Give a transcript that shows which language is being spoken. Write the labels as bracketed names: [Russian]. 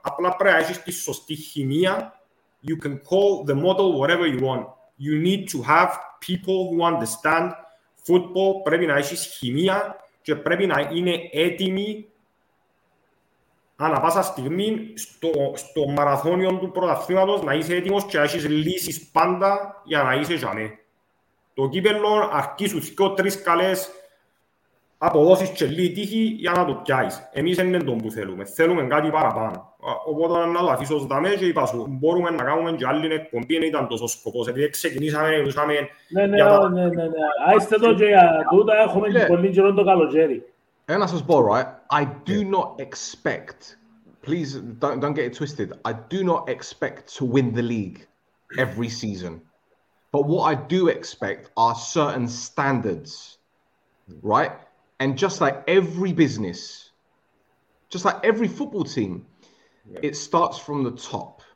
[Greek] Απλά πρέπει να έχεις τη σωστή χημεία. [English] You can call the model whatever you want. You need to have people who understand football. [Greek] Πρέπει να έχεις χημεία και πρέπει να είναι έτοιμοι ανά πάσα στιγμή στο μαραθώνιο του πρωταθλήματος να είσαι έτοιμος και να έχεις λύσεις πάντα για να είσαι ζανέ. Το κύπελλο αρκεί σου 2-3 καλές αποδόσεις και λίγη τύχη για να το πιάσεις. Εμείς δεν είναι τον που θέλουμε. Θέλουμε κάτι παραπάνω. Οπότε να το αφήσω στα μέσα και είπα σου, μπορούμε να κάνουμε και άλλη εκπομπή, δεν ήταν τόσο σκοπός. Επειδή ξεκινήσαμε, ρωτήσαμε... Ναι. Άστε το και για τούτα έχουμε και πολύ καιρό το καλοκαίρι. [English] And I says, Bo, right, I do not expect, please don't get it twisted, I do not expect to win the league every season. But what I do expect are certain standards, right? And just like every business, just like every football team, it starts from the top.